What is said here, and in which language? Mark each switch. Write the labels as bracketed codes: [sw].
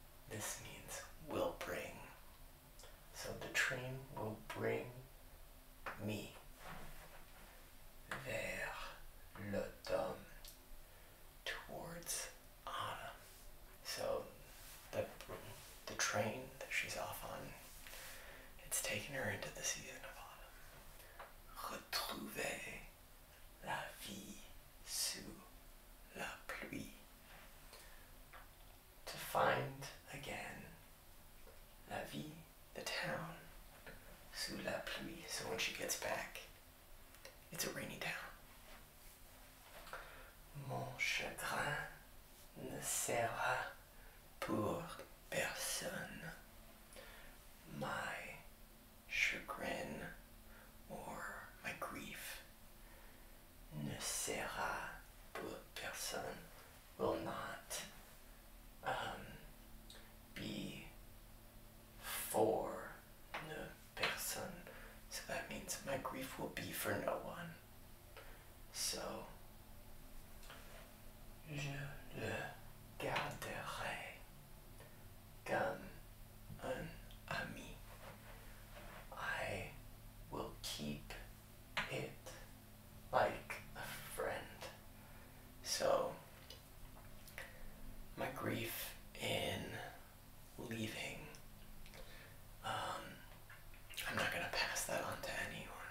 [en] This means will bring. So the train will bring me [fr] vers l'automne, [en] towards autumn. So the train that she's off on, it's taking her into the season of autumn. [fr] Retrouver la vie sous la pluie. [en] To find again the town [fr] sous la pluie. [en] So when she gets back, it's a rainy town. [fr] Mon chagrin ne sera pour personne. [en] My chagrin or my grief [fr] ne sera pour personne. [en] Will not be for no person. So that means my grief will be for no one. [fr] So, je le garderai comme un ami. [en] I will keep it like a friend. So, my grief in leaving, I'm not gonna pass that on to anyone.